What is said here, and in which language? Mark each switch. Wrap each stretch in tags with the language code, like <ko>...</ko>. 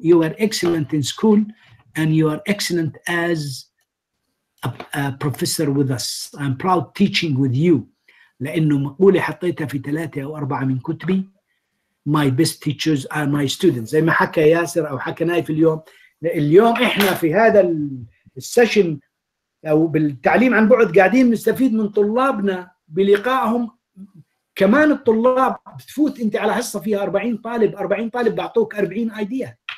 <en>You are excellent in school and you are excellent as a professor with us. I'm proud teaching with you.</en> <ar>لأنه مقولة حطيتها في ثلاثة أو أربعة من كتبي.</ar> <en>My best teachers are my students.</en> <ar>زي ما حكى ياسر أو حكى نايف اليوم. اليوم إحنا في هذا السيشن أو بالتعليم عن بعد قاعدين نستفيد من طلابنا بلقائهم. كمان الطلاب بتفوت أنت على حصة فيها 40 طالب. 40 طالب بعطوك 40 idea.</ar>